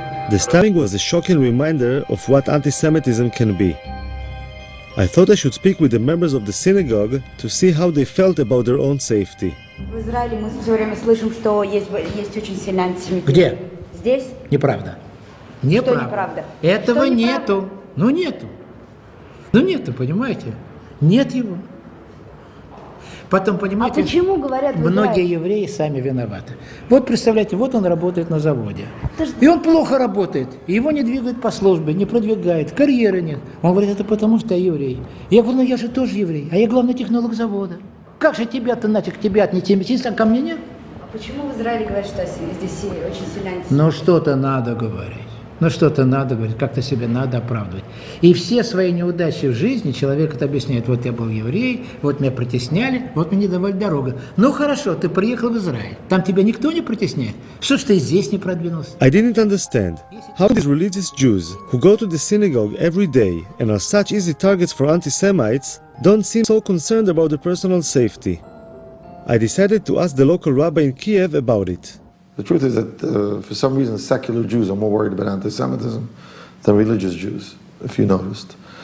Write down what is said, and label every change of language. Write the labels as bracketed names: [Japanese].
[English] The stabbing was a shocking reminder of what anti-Semitism can be. I thought I should speak with the members of the synagogue to see how they felt about their own safety. [Russian] В Израиле мы все время слышим, что есть очень сильный антисемитизм. Где? Здесь? Неправда. Неправда. Что неправда? Этого что неправда? Нету. Ну нету. Ну нету, понимаете? Нет его. Потом, понимаете, а почему, говорят, многие евреи сами виноваты. Вот представляете, вот он работает на заводе. И он плохо работает. Его не двигают по службе, не продвигают, карьеры нет. Он говорит, это потому что я еврей. Я говорю, ну я же тоже еврей, а я главный технолог завода. Как же тебя-то нафиг, тебя от антисемитизма, ко мне нет? А почему в Израиле говорят, что здесь сильный, очень сильный антисемитизм? Ну что-то надо говорить. Ну что-то надо говорить, как-то себе надо оправдывать. И все свои неудачи в жизни человек это объясняет. Вот я был еврей, вот меня притесняли, вот мне не давали дорогу. Ну хорошо, ты приехал в Израиль, там тебя никто не притесняет. Что ж ты здесь не продвинулся? [English] I didn't understand how these religious Jews who go to the synagogue every day and are such easy targets for anti-Semites don't seem so concerned about the personal safety. I decided to ask the local rabbi in Kiev about it. The truth is that for some reason secular Jews are more worried about anti-Semitism than religious Jews, if you noticed.